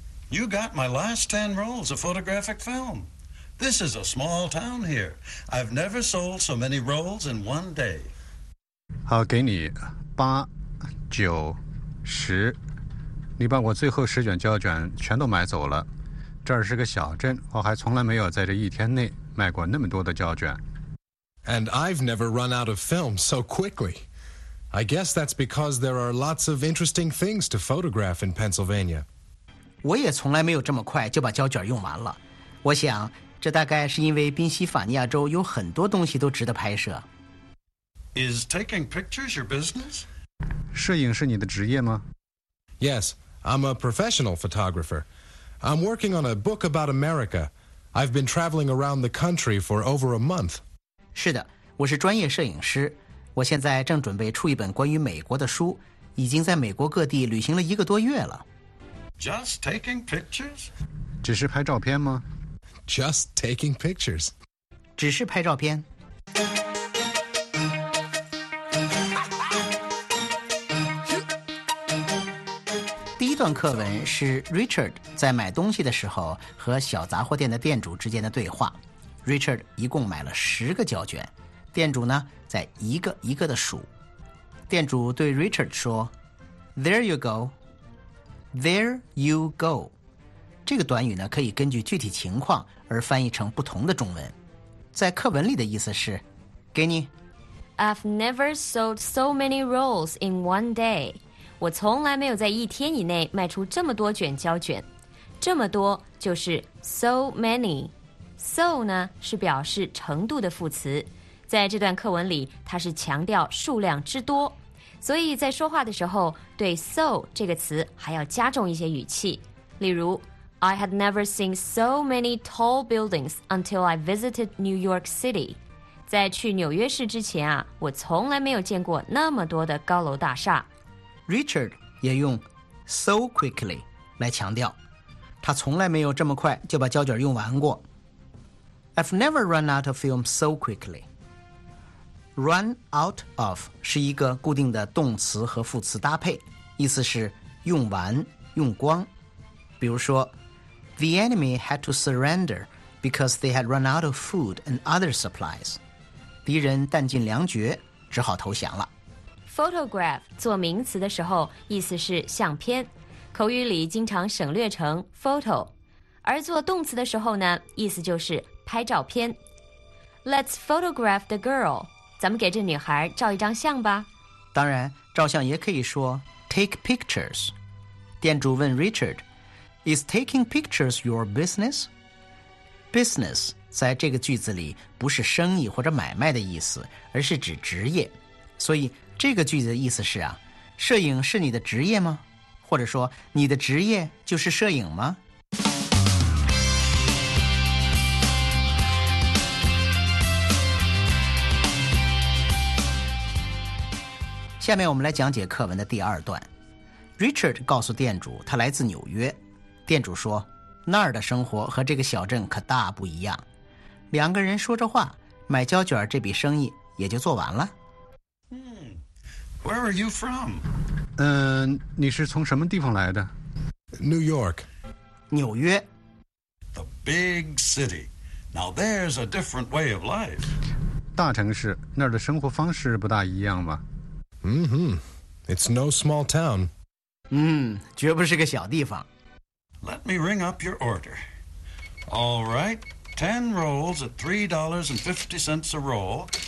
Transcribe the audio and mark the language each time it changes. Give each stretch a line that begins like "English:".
English: You got my last 10 rolls of photographic film. This is a small town here. I've never sold so many rolls in one day.
Chinese: 好，给你八、九、十。你把我最后10卷胶卷全都买走了。这儿是个小镇，我还从来没有在这一天内卖过那么多的胶卷。
English: And I've never run out of film so quickly. I guess that's because there are lots of interesting things to photograph in Pennsylvania.
Chinese: 我也从来没有这么快就把胶卷用完了。我想这大概是因为宾夕法尼亚州有很多东西都值得拍摄。
English: Is taking pictures your business?
Chinese: 摄影是你的职业吗？
English: Yes, I'm a professional photographer. I'm working on a book about America. I've been traveling around the country for over a month.
Chinese: 是的，我是专业摄影师。我现在正准备出一本关于美国的书，已经在美国各地旅行了一个多月了。
English: Just taking pictures?
Chinese: 只是拍照片吗？
English: Just taking pictures.
Chinese: 只是拍照片。第一段课文是 Richard 在买东西的时候和小杂货店的店主之间的对话。 Richard 一共买了10个胶卷，店主呢在一个一个的数。店主对 Richard 说 ：
English: “There you go. There you go.”
Chinese: 这个短语呢可以根据具体情况而翻译成不同的中文。在课文里的意思是给你。
English: I've never sold so many rolls in one day.
Chinese: 我从来没有在一天以内卖出这么多卷胶卷。这么多就是 so many. So 呢是表示程度的副词。在这段课文里它是强调数量之多。所以在说话的时候对 so 这个词还要加重一些语气。例如
English: I had never seen so many tall buildings until I visited New York City.
Chinese: 在去纽约市之前啊，我从来没有见过那么多的高楼大厦。 Richard 也用 so quickly 来强调，他从来没有这么快就把胶卷用完过。
English: I've never run out of film so quickly.
Chinese: Run out of 是一个固定的动词和副词搭配，意思是用完、用光。比如说
English: The enemy had to surrender because they had run out of food and other supplies.
Chinese: 敌人弹尽粮绝，只好投降了。 Photograph 做名词的时候，意思是相片，口语里经常省略成 photo， 而做动词的时候呢，意思就是拍照片。
English: Let's photograph the girl.
Chinese: 咱们给这女孩照一张相吧。当然，照相也可以说 take pictures。店主问 Richard。
English: Is taking pictures your business?
Chinese: Business 在这个句子里不是生意或者买卖的意思，而是指职业。所以这个句子的意思是啊，摄影是你的职业吗？或者说你的职业就是摄影吗？下面我们来讲解课文的第二段。Richard 告诉店主他来自纽约，店主说那儿的生活和这个小镇可大不一样。两个人说着话，买胶卷这笔生意也就做完了。
English: Where are you from?
Chinese: 你是从什么地方来的？
English: New York.
Chinese: 纽约。
English: The big city. Now there's a different way of life.
Chinese: 大城市，那儿的生活方式不大一样吧？
English: Mm-hmm. It's no small town.
Chinese: 绝不是个小地方。
English: Let me ring up your order. All right. 10 rolls at $3.50 a roll.